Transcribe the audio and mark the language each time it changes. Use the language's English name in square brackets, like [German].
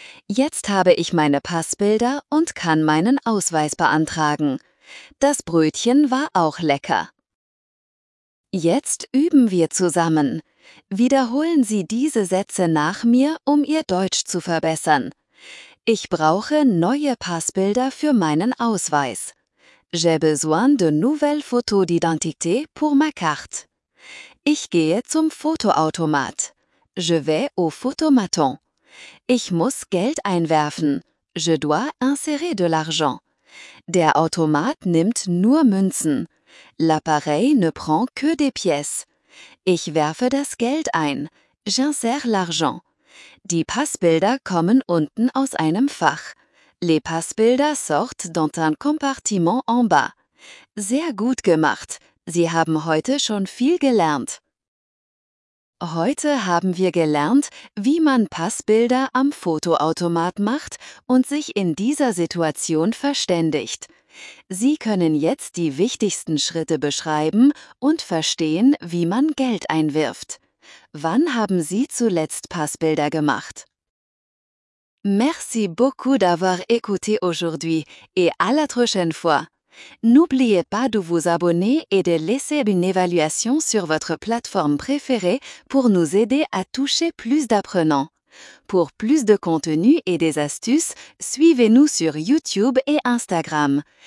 [German] Jetzt habe ich meine Passbilder und kann meinen Ausweis beantragen. Das Brötchen war auch lecker. Jetzt üben wir zusammen. Wiederholen Sie diese Sätze nach mir, um Ihr Deutsch zu verbessern. Ich brauche neue Passbilder für meinen Ausweis. [French] J'ai besoin de nouvelles photos d'identité pour ma carte. [German] Ich gehe zum Fotoautomat. [French] Je vais au photomaton. [German] Ich muss Geld einwerfen. [French] Je dois insérer de l'argent. [German] Der Automat nimmt nur Münzen. [French] L'appareil ne prend que des pièces. [German] Ich werfe das Geld ein. [French] J'insère l'argent. [German] Die Passbilder kommen unten aus einem Fach. [French] Les Passbilder sortent dans un compartiment en bas. [German] Sehr gut gemacht. Sie haben heute schon viel gelernt. Heute haben wir gelernt, wie man Passbilder am Fotoautomat macht und sich in dieser Situation verständigt. Sie können jetzt die wichtigsten Schritte beschreiben und verstehen, wie man Geld einwirft. Wann haben Sie zuletzt Passbilder gemacht? [French] Merci beaucoup d'avoir écouté aujourd'hui et à la prochaine fois. N'oubliez pas de vous abonner et de laisser une évaluation sur votre plateforme préférée pour nous aider à toucher plus d'apprenants. Pour plus de contenu et des astuces, suivez-nous sur YouTube et Instagram.